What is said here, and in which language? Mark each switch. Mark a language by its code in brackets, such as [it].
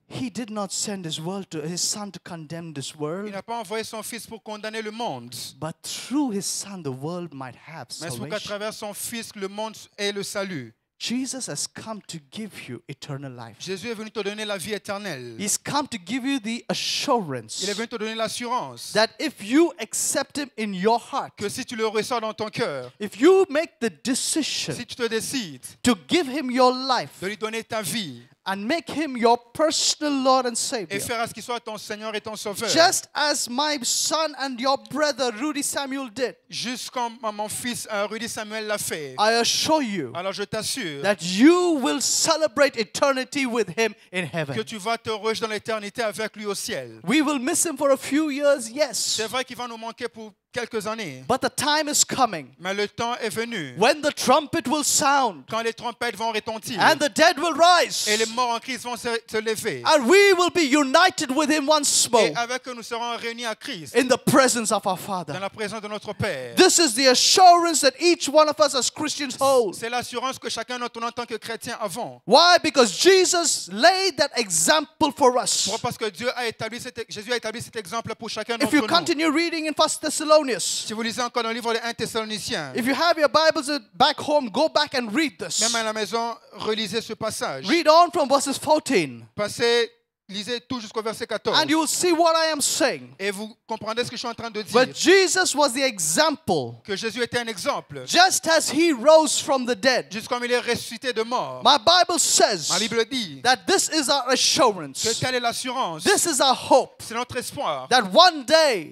[en] He did not send his son to condemn this world. [fr] Il n'a pas envoyé son fils pour condamner le monde. [en] But through his son, the world might have salvation. [fr] Mais c'est pour qu'à travers son fils, le monde ait le salut. [en] Jesus has come to give you eternal life. [fr] Jésus est venu te donner la vie éternelle. [en] He's come to give you the assurance. [fr] Il est venu te donner l'assurance. [en] That if you accept him in your heart. [fr] Que si tu le reçois dans ton cœur. [en] If you make the decision. [fr] Si tu te décides. [en] To give him your life. [fr] De lui donner ta vie. [en] And make him your personal Lord and Savior. [fr] Et faire à ce qu'il soit ton Seigneur et ton Sauveur. [en] Just as my son and your brother Rudy Samuel did. [fr] Juste comme mon fils Rudy Samuel l'a fait. [en] I assure you. [fr] Alors je t'assure. [en] That you will celebrate eternity with him in heaven. [fr] Que tu vas te réjouir dans l'éternité avec lui au ciel. [en] We will miss him for a few years, yes. [fr] C'est vrai qu'il va nous manquer pour quelques années. [en] But the time is coming. [fr] Mais le temps est venu. [en] When the trumpet will sound. [fr] Quand les trompettes vont retentir. [en] And the dead will rise. [fr] Et les morts en Christ vont se lever. [en] And we will be united with him once more. [fr] Et avec nous serons réunis à Christ. [en] In the presence of our Father. [fr] Dans la présence de notre Père. [en] This is the assurance that each one of us as Christians hold. [fr] C'est l'assurance que chacun d'entre nous en tant que chrétien avons. [en] Why? Because Jesus laid that example for us. [fr] Pourquoi? Parce que Jésus a établi cet exemple pour chacun d'entre nous. [en] If you continue reading in 1 Thessalonians. [fr] Si vous lisez encore dans le livre des 1 Thessaloniciens. [en] If you have your Bibles back home, go back and read this. [fr] Même à la maison, relisez ce passage. [en] Read on from verses 14. [fr] Lisez tout jusqu'au verset 14. [en] And you will see what I am saying. [fr] Et vous comprendrez ce que je suis en train de dire. [en] But Jesus was the example. [fr] Que Jésus était un exemple. [en] Just as he rose from the dead. [fr] Juste comme il est ressuscité de mort. [en] My Bible says. [fr] Ma Bible dit. [en] That this is our assurance. [fr] Que telle est l'assurance. [en] This is our hope. [fr] C'est notre espoir. [en] That one day.